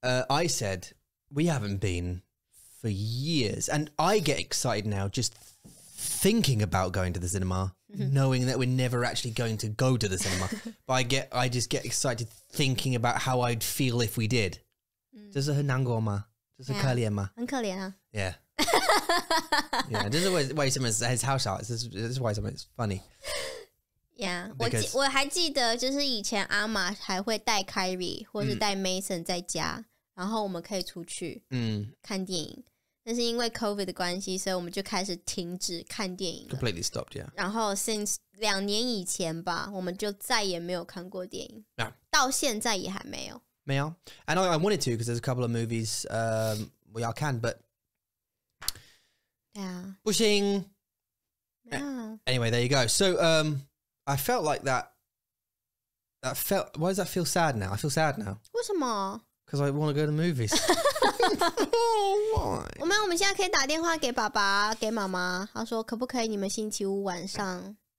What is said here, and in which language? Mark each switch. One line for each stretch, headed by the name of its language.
English: I said we haven't been. For years, and I get excited now just thinking about going to the cinema, knowing that we're never actually going to go to the cinema. But I just get excited thinking about how I'd feel if we did.
Chinese: 这是很难过吗？这是可怜吗？很可怜啊。
English: Yeah. Yeah. This is why someone's funny. Yeah.
Chinese: 我还记得，就是以前阿玛还会带Kyrie或是带 Mason 在家，然后我们可以出去看电影。但是因为 COVID 的关系，所以我们就开始停止看电影了。
English: Completely stopped, yeah.
Chinese: 然后
English: since
Chinese: 两年以前吧，我们就再也没有看过电影。到现在也还没有。没有。
English: And I wanted to because there's a couple of movies we all can, but yeah,
Chinese: 不行。
English: Yeah. Anyway, there you go. So I felt like that. That felt. Why does that feel sad now? I feel sad now.
Chinese: 为什么？
English: Because I want to go to the movies. Why?
Chinese: 我们现在可以打电话给爸爸给妈妈，他说可不可以你们星期五晚上